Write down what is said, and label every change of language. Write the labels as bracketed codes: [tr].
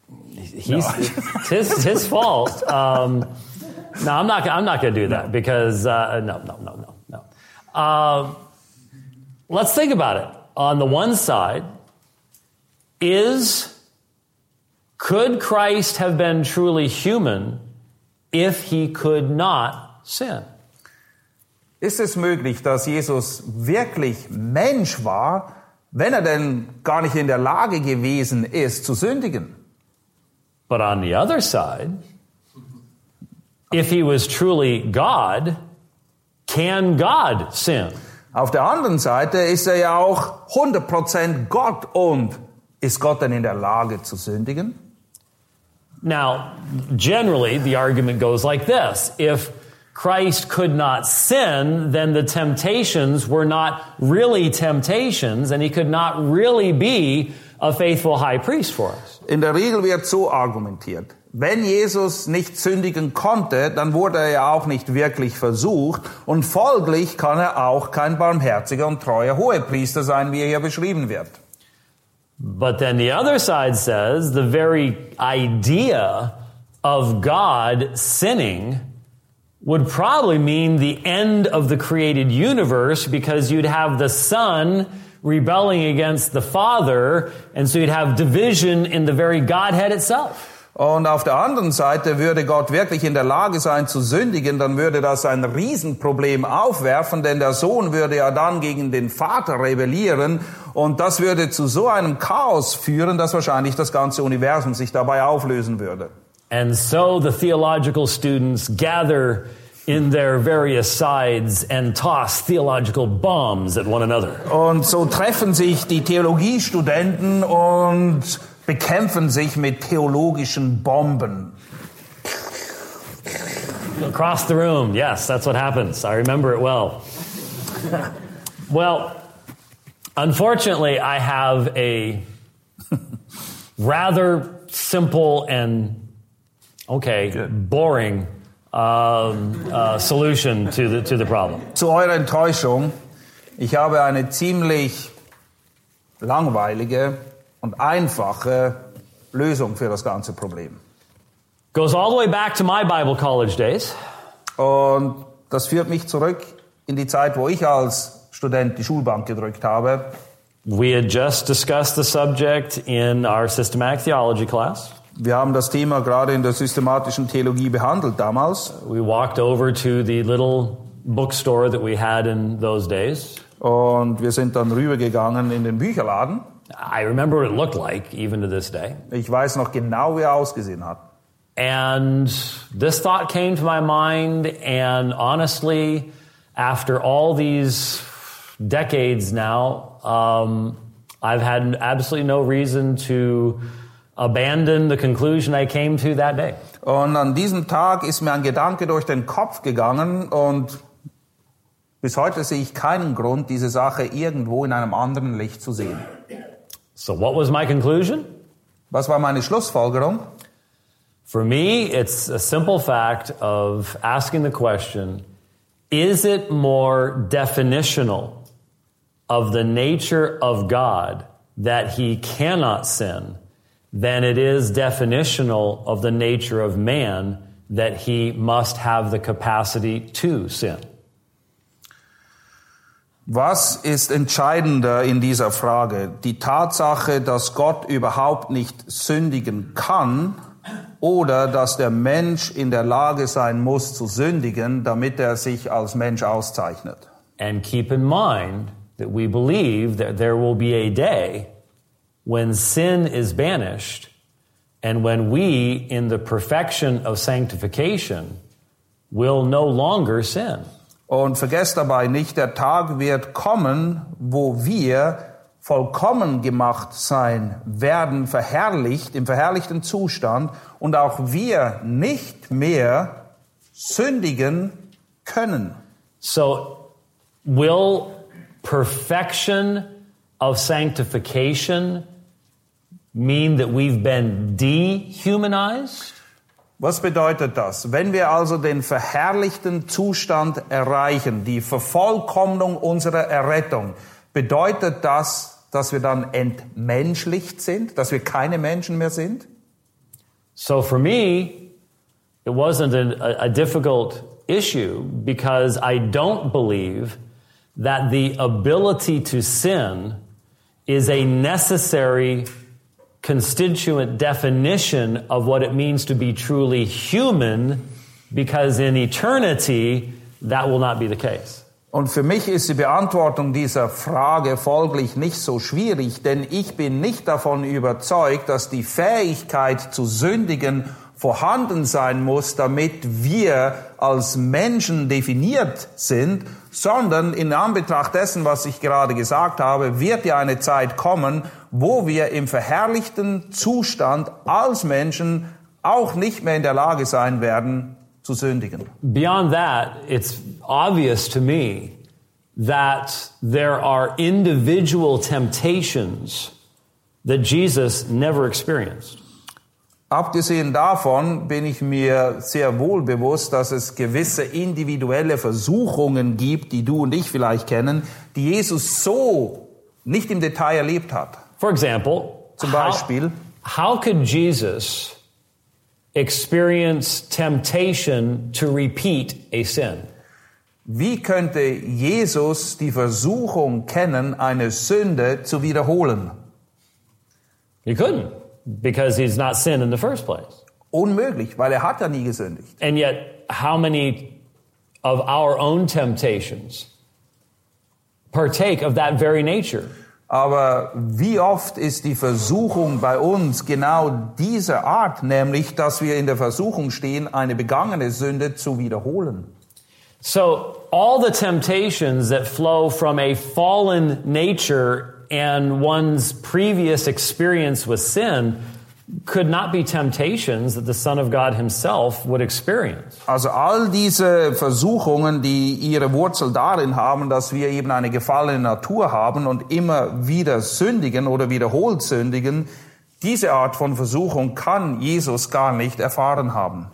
[en] It's his fault. No, I'm not going to do that because no. Let's think about it. On the one side, could Christ have been truly human if he could not sin? [de] Ist es möglich, dass Jesus wirklich Mensch war, wenn er denn gar nicht in der Lage gewesen ist, zu sündigen? [en] But on the other side, if he was truly God, can God sin? [de] Auf der anderen Seite ist er ja auch 100% Gott. Und ist Gott denn in der Lage zu sündigen? [en] Now, generally, the argument goes like this. If Christ could not sin, then the temptations were not really temptations, and he could not really be a faithful high priest for us. [de] In der Regel wird so argumentiert. Wenn Jesus nicht sündigen konnte, dann wurde er ja auch nicht wirklich versucht, und folglich kann er auch kein barmherziger und treuer Hohepriester sein, wie er hier beschrieben wird. [en] But then the other side says the very idea of God sinning would probably mean the end of the created universe, because you'd have the Son rebelling against the Father, and so you'd have division in the very Godhead itself. [de] Und auf der anderen Seite, würde Gott wirklich in der Lage sein zu sündigen, dann würde das ein Riesenproblem aufwerfen, denn der Sohn würde ja dann gegen den Vater rebellieren, und das würde zu so einem Chaos führen, dass wahrscheinlich das ganze Universum sich dabei auflösen würde. [en] And so the theological students gather in their various sides and toss theological bombs at one another. [de] Und so treffen sich die Theologiestudenten und bekämpfen sich mit theologischen Bomben. [en] Across the room, yes, that's what happens. I remember it well. Well, unfortunately, I have a rather simple and, okay, boring solution to the problem. [de] Zu eurer Enttäuschung, ich habe eine ziemlich langweilige und einfache Lösung für das ganze Problem. [en] Goes all the way back to my Bible college days. [de] Und das führt mich zurück in die Zeit, wo ich als Student die Schulbank gedrückt habe. [en] We had just discussed the subject in our systematic theology class. [de] Wir haben das Thema gerade in der systematischen Theologie behandelt damals. [en] We walked over to the little bookstore that we had in those days. [de] Und wir sind dann rübergegangen in den Bücherladen. [en] I remember what it looked like, even to this day. [de] Ich weiß noch genau, wie er ausgesehen hat. [en] And this thought came to my mind, and honestly, after all these decades now, I've had absolutely no reason to abandon the conclusion I came to that day. [de] Und an diesem Tag ist mir ein Gedanke durch den Kopf gegangen, und bis heute sehe ich keinen Grund, diese Sache irgendwo in einem anderen Licht zu sehen. [en] So what was my conclusion? [de] Was war meine Schlussfolgerung? [en] For me, it's a simple fact of asking the question, is it more definitional of the nature of God that he cannot sin than it is definitional of the nature of man that he must have the capacity to sin? [de] Was ist entscheidender in dieser Frage? Die Tatsache, dass Gott überhaupt nicht sündigen kann, oder dass der Mensch in der Lage sein muss zu sündigen, damit er sich als Mensch auszeichnet? [en] And keep in mind that we believe that there will be a day when sin is banished, And when we, in the perfection of sanctification, will no longer sin. [de] Und vergesst dabei nicht, der Tag wird kommen, wo wir vollkommen gemacht sein werden, verherrlicht, im verherrlichten Zustand, und auch wir nicht mehr sündigen können. [en] So, will perfection of sanctification mean that we've been dehumanized? [de] Was bedeutet das? Wenn wir also den verherrlichten Zustand erreichen, die Vervollkommnung unserer Errettung, bedeutet das, dass wir dann entmenschlicht sind, dass wir keine Menschen mehr sind? [en] So for me, it wasn't a difficult issue, because I don't believe that the ability to sin is a necessary constituent definition of what it means to be truly human, because in eternity that will not be the case. [de] Und für mich ist die Beantwortung dieser Frage folglich nicht so schwierig, denn ich bin nicht davon überzeugt, dass die Fähigkeit zu sündigen vorhanden sein muss, damit wir als Menschen definiert sind, sondern in Anbetracht dessen, was ich gerade gesagt habe, wird ja eine Zeit kommen, wo wir im verherrlichten Zustand als Menschen auch nicht mehr in der Lage sein werden, zu sündigen. [en] Beyond that, it's obvious to me that there are individual temptations that Jesus never experienced. [de] Abgesehen davon bin ich mir sehr wohl bewusst, dass es gewisse individuelle Versuchungen gibt, die du und ich vielleicht kennen, die Jesus so nicht im Detail erlebt hat. [en] For example, [de] zum Beispiel, [en] how could Jesus experience temptation to repeat a sin? [de] Wie könnte Jesus die Versuchung kennen, eine Sünde zu wiederholen? [en] He couldn't. Because he's not sinned in the first place. [de] Unmöglich, weil er hat ja nie gesündigt. [en] And yet, how many of our own temptations partake of that very nature? [de] Aber wie oft ist die Versuchung bei uns genau dieser Art, nämlich, dass wir in der Versuchung stehen, eine begangene Sünde zu wiederholen? [en] So, all the temptations that flow from a fallen nature and one's previous experience with sin could not be temptations that the Son of God himself would experience. [de] Also all diese Versuchungen, die ihre Wurzel darin haben, dass wir eben eine gefallene Natur haben und immer wieder sündigen oder wiederholt sündigen, diese Art von Versuchung kann Jesus gar nicht erfahren haben.